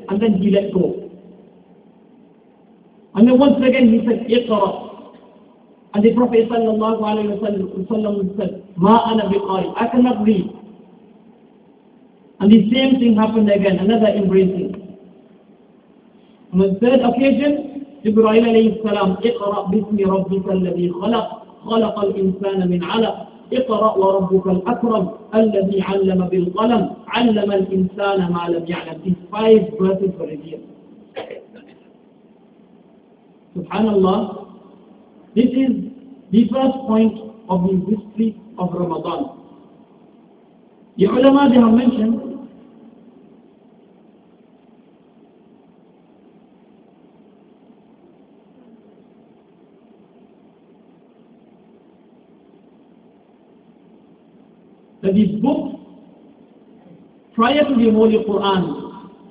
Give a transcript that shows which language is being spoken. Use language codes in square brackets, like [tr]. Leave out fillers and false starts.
[en] And then he let go. And then once again he said, Iqra. And the Prophet sallallahu alayhi wa sallam said, [ar] ma ana biqari, [en] I cannot read. And the same thing happened again, another embracing. On the third occasion, Jibreel alayhi salam, [ar] اقرأ باسم ربك الذي خلق خلق الإنسان من علق اقرأ وربك الأكرم الذي علم بالقلم علم الإنسان ما لم يعلم. [en] These five verses were revealed. Subhanallah, this is the first point of the history of Ramadan. The ulama, they have mentioned that this book, prior to the Holy Quran,